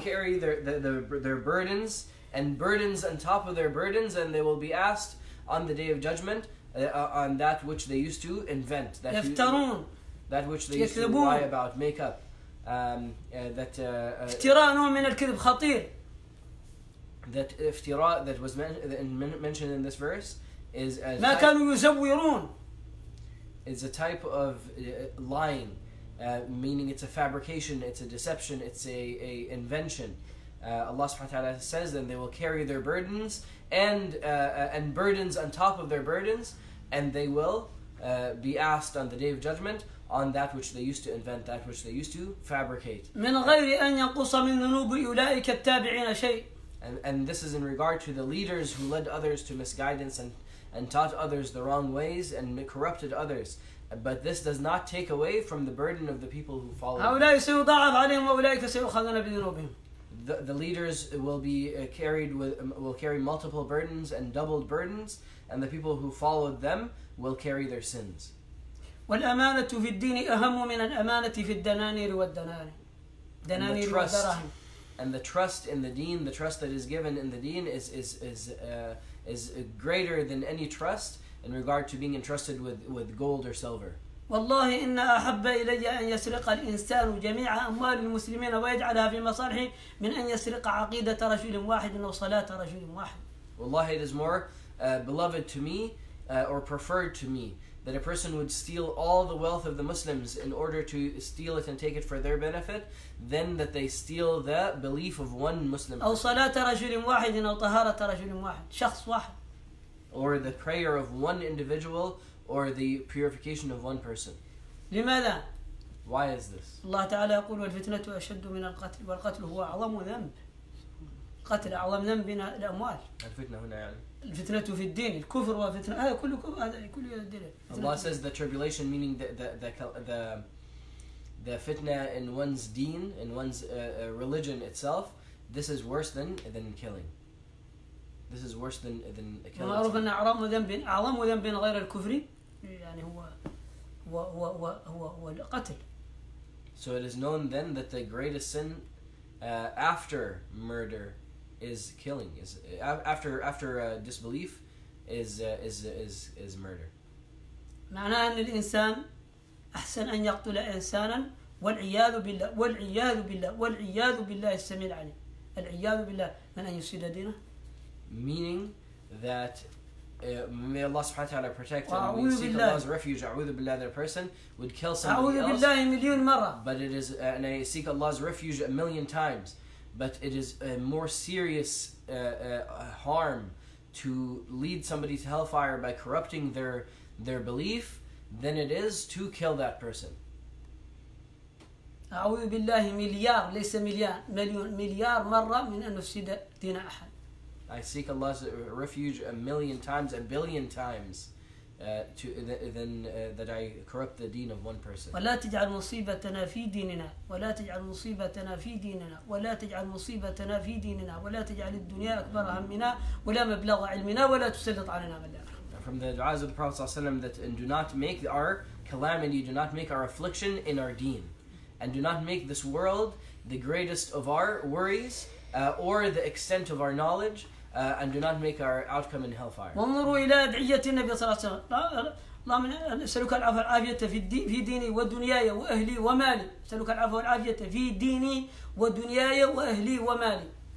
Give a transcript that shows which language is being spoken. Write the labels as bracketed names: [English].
[English] Carry their burdens and burdens on top of their burdens and they will be asked on the day of judgment on that which they used to invent. [Arabic] يفترون. [English] That which they used to lie about, make up. [Arabic] افتراء نوع من الكذب خطير. [English] That افتراء that was mentioned in this verse is a. [Arabic] ما كانوا يزورون. [English] Is a type of lying, meaning it's a fabrication, it's a deception, it's a invention. Allah subhanahu wa ta'ala says, then they will carry their burdens and burdens on top of their burdens, and they will be asked on the day of judgment. On that which they used to invent, that which they used to fabricate. [Arabic] من غير أن ينقص من ذنوب أولئك التابعين شيء. [English] And this is in regard to the leaders who led others to misguidance and taught others the wrong ways and corrupted others. But this does not take away from the burden of the people who follow. [Arabic] هؤلاء سيضاعف عليهم وأولئك سيؤخذون بذنوبهم. [English] The leaders will be carried with will carry multiple burdens and doubled burdens, and the people who followed them will carry their sins. [Arabic] والأمانة في الدين أهم من الأمانة في الدنانير والدنانير. دنانير ودراهم. [English] And the trust in the deen, the trust that is given in the deen is greater than any trust in regard to being entrusted with gold or silver. [Arabic] والله إن أحب إلي أن يسرق الإنسان جميع أموال المسلمين ويجعلها في مصالحه من أن يسرق عقيدة رجل واحد أو صلاة رجل واحد. [English] والله it is more beloved to me or preferred to me that a person would steal all the wealth of the Muslims in order to steal it and take it for their benefit, then that they steal the belief of one Muslim. [Arabic] أو صلاة رجل واحد أو طهارة رجل واحد شخص واحد. [English] Or the prayer of one individual, or the purification of one person. [Arabic] لماذا؟ [English] Why is this? [Arabic] الله تعالى يقول والفتنة أشد من القتل والقتل هو أعظم ذنب. قتل أعظم ذنب من الأموال. الفتنة هنا يعني. الفتنة في الدين الكفر وفتنة هذا كله كفر هذا كله يدل. [English] Allah says the tribulation meaning the fitna in one's deen in one's religion itself this is worse than killing. This is worse than killing. [Arabic] معروف أن أعظم ذنب غير الكفر يعني هو القتل. [English] So it is known then that the greatest sin after murder is killing is after disbelief is murder. [Arabic] معناه أن الإنسان أحسن أن يقتل إنسانا والعياذ بالله والعياذ بالله والعياذ بالله السميع العليم العياذ بالله من أن يفسد دينه. [English] Meaning that may Allah subhanahu wa ta'ala protect and we seek Allah's refuge. [Arabic] أعوذ بالله [English] that a person would kill somebody else. [Arabic] أعوذ بالله مليون مرة. [English] But it is and I seek Allah's refuge a million times. But it is a more serious harm to lead somebody to hellfire by corrupting their belief than it is to kill that person. [Arabic] أعوذ بالله مليار ليس مليار مليون مليار مرة من أن أفسد دين أحد. [English] I seek Allah's refuge a million times, a billion times, that I corrupt the deen of one person. [Arabic] ولا تجعل مصيبتنا في ديننا ولا تجعل مصيبتنا في ديننا ولا تجعل مصيبتنا في ديننا ولا تجعل الدنيا أكبر همنا ولا مبلغ علمنا ولا تسلط علينا من لا. [English] From the du'as of the Prophet ﷺ that and do not make our calamity, do not make our affliction in our deen, and do not make this world the greatest of our worries or the extent of our knowledge, and do not make our outcome in hellfire. [Arabic] وانظروا إلى أدعية النبي صلى الله عليه وسلم. اللهم أسألك العفو والعافية في ديني ودنياي وأهلي ومالي. أسألك العفو والعافية في ديني ودنياي وأهلي ومالي.